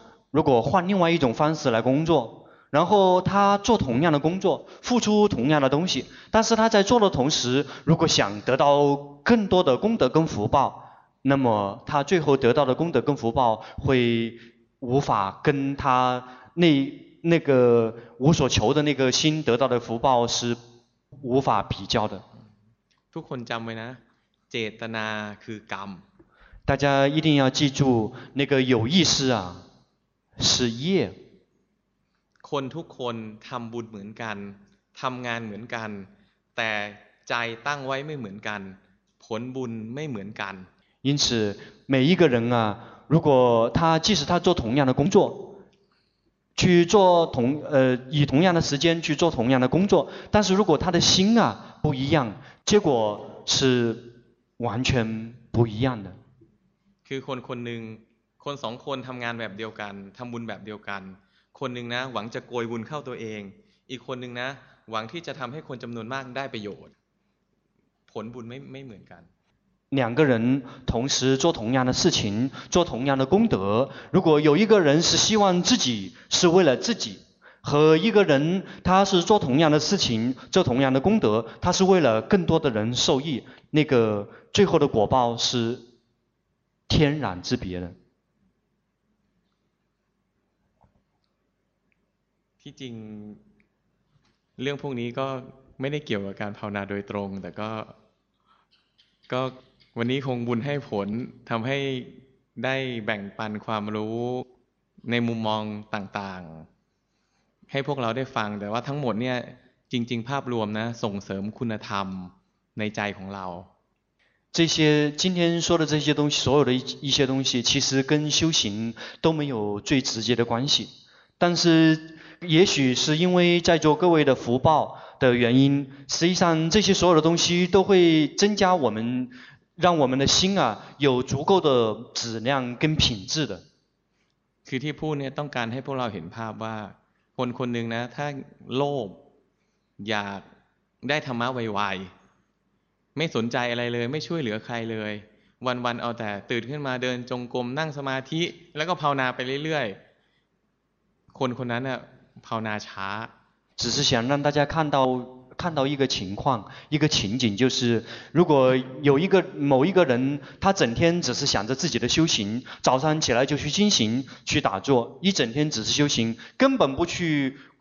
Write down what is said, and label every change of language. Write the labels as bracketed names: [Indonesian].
[Chinese] 如果换另外一种方式来工作然后他做同样的工作付出同样的东西但是他在做的同时如果想得到更多的功德跟福报那么他最后得到的功德跟福报会无法跟他 那, 那个无所求的那个心得到的福报是无法比较的。 [Thai] ทุกคนจำไว้นะเจตนาคือกรรม [Chinese] 大家一定要记住那个有意思啊是业 [Thai] คนทุกคนทำบุญเหมือนกันทำงานเหมือนกันแต่ใจตั้งไว้ไม่เหมือนกันผลบุญไม่เหมือนกัน [Chinese] 因此每一个人啊如果他即使他做同样的工作去做同以同样的时间去做同样的工作但是如果他的心啊不一样结果是完全不一样的 [Thai] คือคนคนหนึ่งคนสองคนทำงานแบบเดียวกันทำบุญแบบเดียวกันคนหนึ่งนะหวังจะโกยบุญเข้าตัวเองอีกคนหนึ่งนะหวังที่จะทำให้คนจำนวนมากได้ประโยชน์ผลบุญไม่เหมือนกัน [Chinese] 两个人同时做同样的事情做同样的功德如果有一个人是希望自己是为了自己和一个人他是做同样的事情做同样的功德他是为了更多的人受益那个最后的果报是天壤之别的 [Thai] ที่จริงเรื่องพวกนี้ก็ไม่ได้เกี่ยวกับการภาวนาโดยตรงแต่ก็วันนี้คงบุญให้ผลทำให้ได้แบ่งปันความรู้ในมุมมองต่างๆให้พวกเราได้ฟังแต่ว่าทั้งหมดเนี่ยจริงๆภาพรวมนะส่งเสริมคุณธรรมในใจของเรา [Chinese] 这些今天说的这些东西所有的一些东西其实跟修行都没有最直接的关系但是也许是因为在座各位的福报的原因实际上这些所有的东西都会增加我们让我们的心啊有足够的质量跟品质的 [Thai] คือที่พูดเนี่ยต้องการให้พวกเราเห็นภาพว่าคนคนหนึ่งนะถ้าโลภอยากได้ธรรมะไวๆไม่สนใจอะไรเลยไม่ช่วยเหลือใครเลยวันๆเอาแต่ตื่นขึ้นมาเดินจงกรมนั่งสมาธิแล้วก็ภาวนาไปเรื่อยๆคนคนนั้นน่ะภาวนาช้า [Chinese] 只是想让大家看到一个情况一个情景就是如果有一个某一个人他整天只是想着自己的修行早上起来就去进行去打坐一整天只是修行根本不去